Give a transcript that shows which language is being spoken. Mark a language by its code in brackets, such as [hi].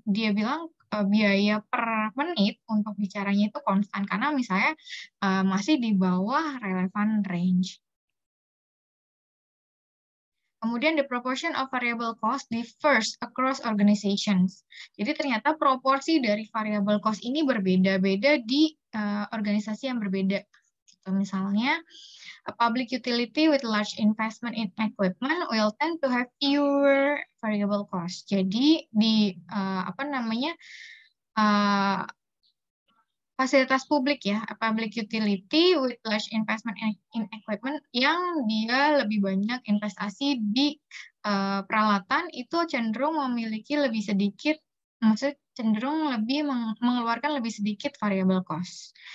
[id] Dia bilang biaya per menit untuk bicaranya itu konstan karena misalnya masih di bawah relevant range. [en] Kemudian the proportion of variable cost differs across organizations. [id] Jadi ternyata proporsi dari variable cost ini berbeda-beda di organisasi yang berbeda. Gitu, misalnya, [en] a public utility with large investment in equipment will tend to have fewer variable cost. [id] Jadi di apa namanya fasilitas publik ya, [en] a public utility with large investment in equipment [id] yang dia lebih banyak investasi di peralatan itu cenderung memiliki lebih sedikit, maksud cenderung lebih mengeluarkan lebih sedikit variable cost.